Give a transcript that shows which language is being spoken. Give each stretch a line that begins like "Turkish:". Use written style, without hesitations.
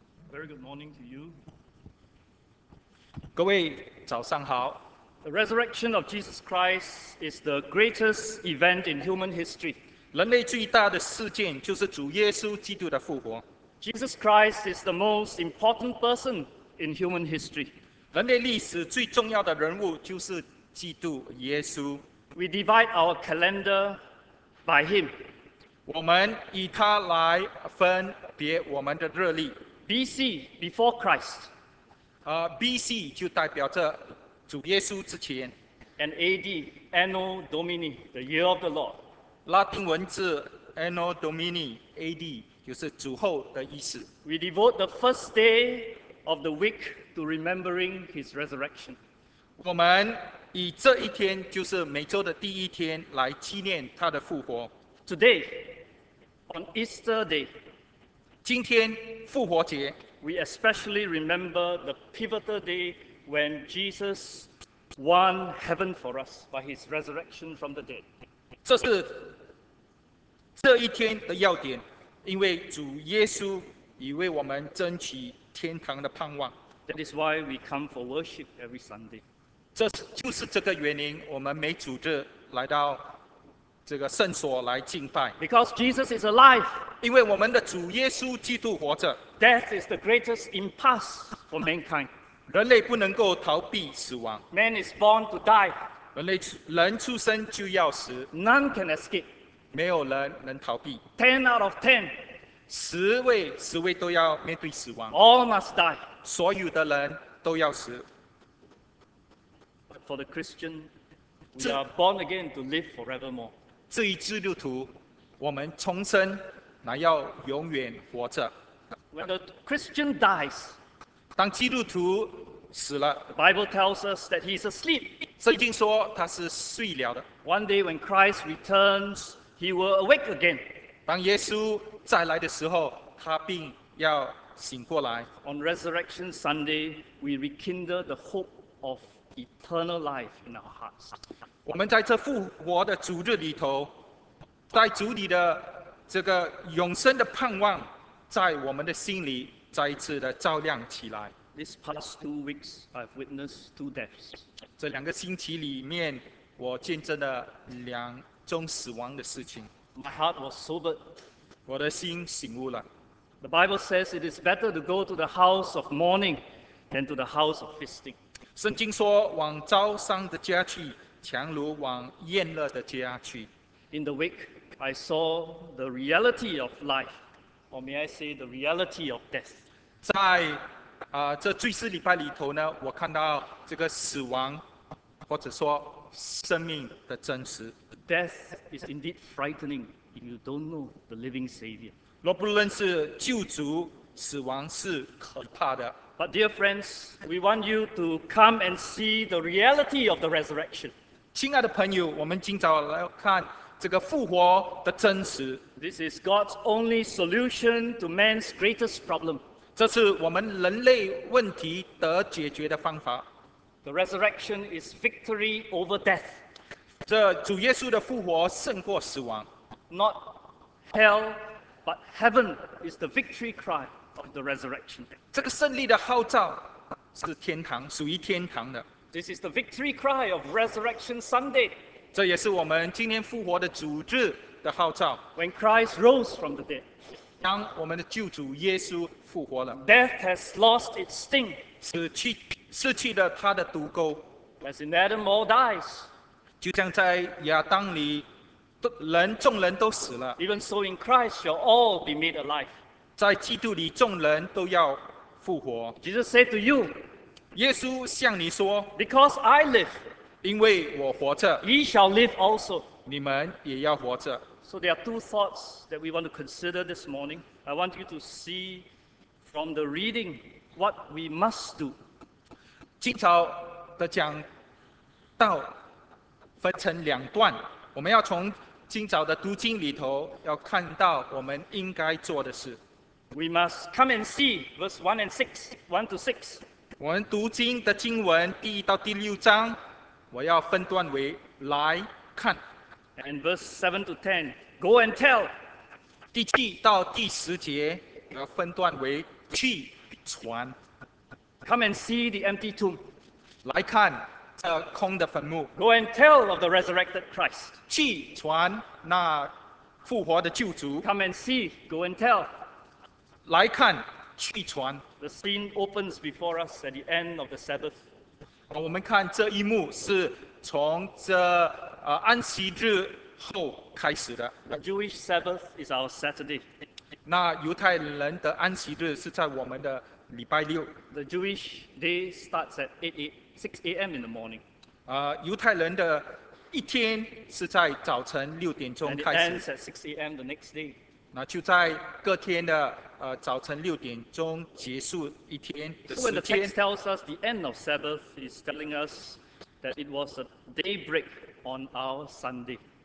English: Very good morning to you.
Chinese: 各位早上好。
English: The resurrection of Jesus Christ is the greatest event in human history.
Chinese: 人类最大的事件就是主耶稣基督的复活。
English: Jesus Christ is the most important person in human history.
Chinese: 人类历史最重要的人物就是基督耶稣。
English: We divide our calendar by him.
Chinese: 我们以他来分别我们的日历。
English: B.C. before Christ.
Chinese: B.C. 就代表着主耶稣之前。
English: And A.D. Anno Domini, the year of the Lord.
Chinese: 拉丁文字 Anno Domini, A.D. 就是主后的意思。
English: We devote the first day of the week to remembering his resurrection.
Chinese: 我们以这一天，就是每周的第一天，来纪念他的复活。
English: Today, on Easter Day,
Chinese: 今天复活节，
English: we especially remember the pivotal day when Jesus won heaven for us by his resurrection from the dead.
Chinese: 这是这一天的要点，因为主耶稣已为我们争取天堂的盼望。
English: That is why we come for worship every Sunday.
Chinese: 这就是这个原因，我们每主日来到这个圣所来敬拜。
English: Because Jesus is alive.
Chinese: 因为我们的主耶稣基督活着。
English: Death is the greatest impasse for mankind.
Chinese: 人类不能够逃避死亡。
English: Man is born to die.
Chinese: 人出生就要死。
English: None can escape.
Chinese: 没有人能逃避。
English: 10 out of 10.
Chinese: 十位都要面对死亡。
English: All must die.
Chinese: 所有的人都要死。
English: But for the Christian, we are born again to live forevermore.
Chinese: 至于基督徒，我们重生乃要永远活着。
English: When a Christian dies,
Chinese: 当基督徒死了，
English: the Bible tells us that he is asleep.
Chinese: 圣经说他是睡了的。
English: One day when Christ returns, he will awake again.
Chinese: 当耶稣再来的时候，他并要醒过来。
English: On Resurrection Sunday, we rekindle the hope of eternal life in our hearts.
Chinese: 我们在这复活的主日里头，在主里的这个永生的盼望，在我们的心里再一次的照亮起来。
English: This past 2 weeks, I've witnessed 2 deaths.
Chinese: 这两个星期里面，我见证了两宗死亡的事情。
English: My heart was sobered.
Chinese: 我的心醒悟了。
English: The Bible says it is better to go to the house of mourning than to the house of feasting.
Chinese: 圣经说，往遭丧的家去。强如往宴乐的家去。
English: In the wake, I saw the reality of life, or may I say the reality of death.
Chinese: 在这追思礼拜里头呢，我看到这个死亡，或者说生命的真实。
English: Death is indeed frightening if you don't know the living Savior.
Chinese: 若不认识救主，死亡是可怕的。
English: But dear friends, we want you to come and see the reality of the resurrection.
Chinese: 亲爱的朋友，我们今早来看这个复活的真实。
English: This is God's only solution to man's greatest problem.
Chinese: 这是我们人类问题得解决的方法。
English: The resurrection is victory over death.
Chinese: 这主耶稣的复活胜过死亡。
English: Not hell, but heaven is the victory cry of the resurrection.
Chinese: 这个胜利的号召是天堂，属于天堂的。
English: This is the victory cry of Resurrection Sunday.
Chinese: 这也是我们今天复活的主日的号召。
English: When Christ rose from the dead.
Chinese: 当我们的救主耶稣复活了。
English: Death has lost its sting.
Chinese: 失去了它的毒钩。
English: As in Adam all dies.
Chinese: 就像在亚当里，众人都死了。
English: Even so in Christ shall all be made alive.
Chinese: 在基督里众人都要复活。
English: Jesus said to you.
Chinese: 耶稣向你说
English: ，Because I live，
Chinese: 因为我活着
English: ，Ye shall live also，
Chinese: 你们也要活着。
English: So there are 2 thoughts that we want to consider this morning. I want you to see from the reading what we must do.
Chinese: 今早的讲道分成两段，我们要从今早的读经里头要看到我们应该做的事。
English: We must come and see verse 1 to 6.
Chinese: 我们读经的经文第一到第六章，我要分段为来看。
English: And verse 7 to 10, go and tell.
Chinese: 第七到第十节，我要分段为去。船。
English: Come and see the empty tomb.
Chinese: 来看这空的坟墓。
English: Go and tell of the resurrected Christ.
Chinese: 去传那复活的救主。
English: Come and see, go and tell.
Chinese: 来看去传。
English: The scene opens before us at the end of the Sabbath.
Chinese: 我们看这一幕是从这安息日后开始的。
English: The Jewish Sabbath is our Saturday.
Chinese: 那犹太人的安息日是在我们的礼拜六。
English: The Jewish day starts at 6 a.m. in the morning.
Chinese: 犹太人的一天是在早晨六点钟开始。
English: And it ends at 6 a.m. the next day.
Chinese: 那就在各天的早晨六点钟结束一天的时间。
English: So when the text tells us the end of Sabbath, it's telling us that it was a daybreak on our Sunday.